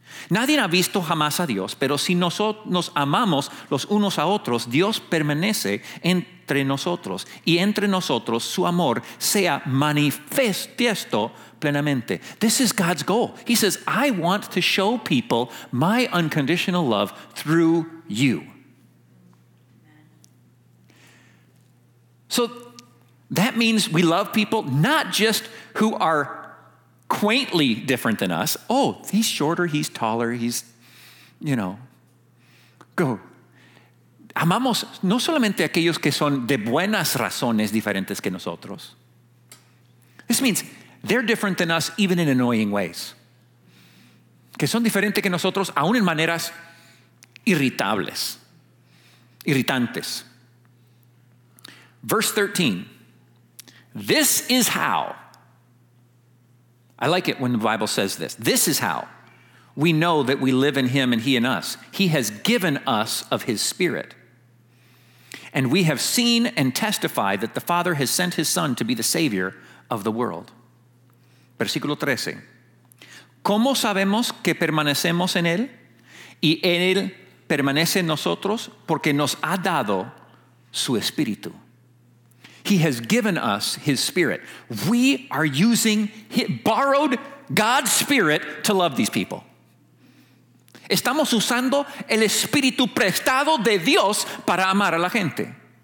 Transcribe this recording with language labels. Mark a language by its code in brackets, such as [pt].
[es] Nadie ha visto jamás a Dios, pero si nos amamos los unos a otros, Dios permanece entre nosotros, y entre nosotros su amor sea manifiesto plenamente. [en] This is God's goal. He says, I want to show people my unconditional love through you. So that means we love people not just who are quaintly different than us. Oh, he's shorter, he's taller, he's, you know. Go. [es] Amamos no solamente aquellos que son de buenas razones diferentes que nosotros. [en] This means they're different than us even in annoying ways. [es] Que son diferentes que nosotros aún en maneras irritables, irritantes. [en] Verse 13. This is how. I like it when the Bible says this. This is how we know that we live in him and he in us. He has given us of his spirit. And we have seen and testified that the Father has sent his son to be the savior of the world. [es] Versículo 13. ¿Cómo sabemos que permanecemos en él? Y él permanece en nosotros porque nos ha dado su espíritu. [en] He has given us his spirit. We are using borrowed God's spirit to love these people. [es] Estamos usando el espíritu prestado de Dios para amar a la gente.